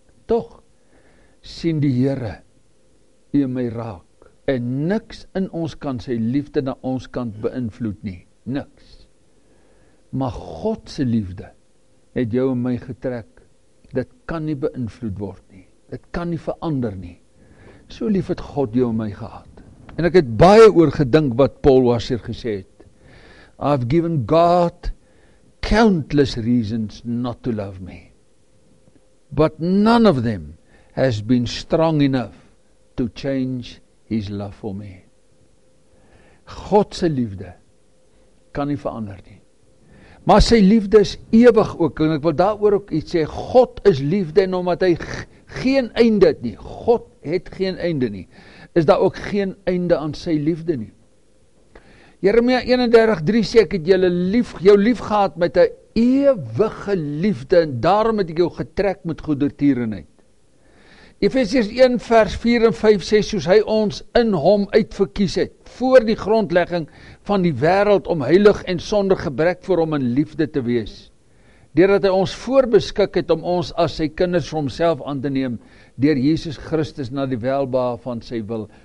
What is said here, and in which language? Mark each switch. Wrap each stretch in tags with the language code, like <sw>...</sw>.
<af>Toch sien die Here u my raak, en niks in ons kan sy liefde na ons kant beïnvloed nie, niks. Maar God se liefde het jou en my getrek. Dit kan nie beïnvloed word nie. Dit kan nie verander nie. So lief het God jou en my gehad. En ek het baie oor gedink wat Paul Washer gesê het.</af> <en>I've given God countless reasons not to love me. But none of them has been strong enough to change his love for me.</en> <af>God se liefde kan nie verander nie. Maar sy liefde is ewig ook, en ek wil daar oor ook iets sê, God is liefde en omdat hy geen einde het nie, God het geen einde nie, is daar ook geen einde aan sy liefde nie. Jeremia 31:3 sê, ek het jou lief gehad met een ewige liefde, en daarom het ek jou getrek met goedertierenheid. Efesiërs 1:4-5 sê, soos hy ons in hom uitverkies het, voor die grondlegging van die wereld, om heilig en sonder gebrek vir hom in liefde te wees, deurdat hy ons voorbeskik het om ons as sy kinders vir homself aan te neem, deur Jesus Christus na die welbehae van sy wil.</af>